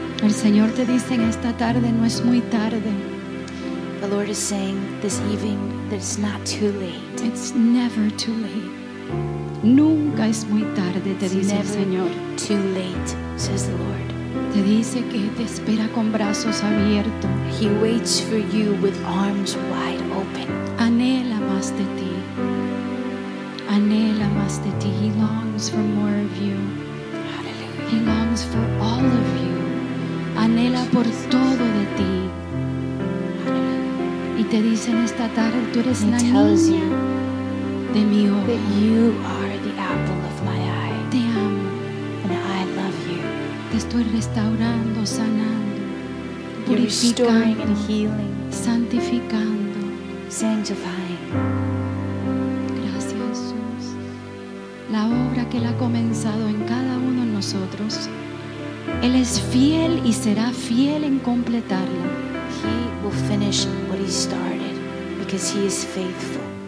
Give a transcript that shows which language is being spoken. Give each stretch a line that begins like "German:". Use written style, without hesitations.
Spanish: Señor te dice en esta tarde no es muy tarde.
English: The Lord is saying this evening that it's not too late. It's never too late.
Spanish: Nunca es muy tarde, te dice el Señor.
English: Too late, says the Lord.
Spanish: Te dice que te espera con brazos abiertos.
English: He waits for you with arms wide open.
Spanish: Anhela más de ti. Anhela más de ti.
English: He longs for more of you. Hallelujah. He longs for all of you.
Spanish: Anhela por todo de ti. Y te dicen esta tarde, tú eres la niña de mi ojo.
English: That you are the apple of my eye.
Spanish: Te amo.
English: And I love you.
Spanish: Te estoy restaurando, sanando,
English: purificando, restoring and healing,
Spanish: santificando,
English: sanctifying.
Spanish: Gracias, Jesús. La obra que Él ha comenzado en cada uno de nosotros. Él es fiel y será fiel en completarlo.
English: He will finish what he started because he is faithful.